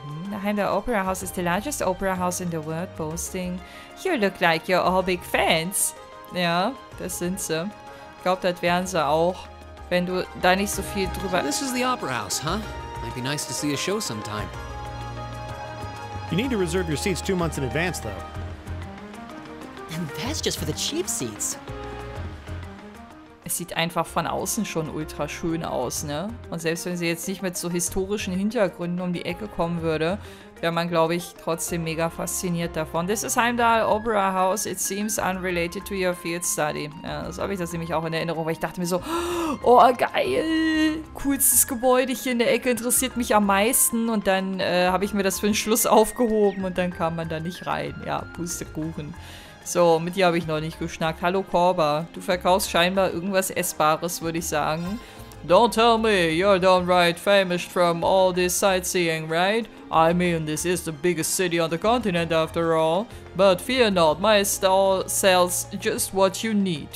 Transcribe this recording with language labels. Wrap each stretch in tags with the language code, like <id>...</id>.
<en>The Heimdall Opera House is the largest opera house in the world, boasting. You look like you're all big fans.</en> <de>Ja, das sind sie. Ich glaube, das wären sie auch, wenn du da nicht so viel drüber...</de> <en>So this is the opera house, huh? Might be nice to see a show sometime. You need to reserve your seats 2 months in advance, though. And that's just for the cheap seats.</en> <de>Es sieht einfach von außen schon ultra schön aus, ne? Und selbst wenn sie jetzt nicht mit so historischen Hintergründen um die Ecke kommen würde, wäre man, glaube ich, trotzdem mega fasziniert davon.</de> <en>This is Heimdall Opera House. It seems unrelated to your field study.</en> <de>Ja, so habe ich das nämlich auch in Erinnerung, weil ich dachte mir so, oh, geil! Coolstes Gebäude hier in der Ecke interessiert mich am meisten. Und dann habe ich mir das für den Schluss aufgehoben und dann kam man da nicht rein. Ja, Pustekuchen. So, mit dir habe ich noch nicht geschnackt. Hallo, Korba. Du verkaufst scheinbar irgendwas Essbares, würde ich sagen.</de> <en>Don't tell me, you're downright famous from all this sightseeing, right? I mean, this is the biggest city on the continent after all. But fear not, my stall sells just what you need.</en>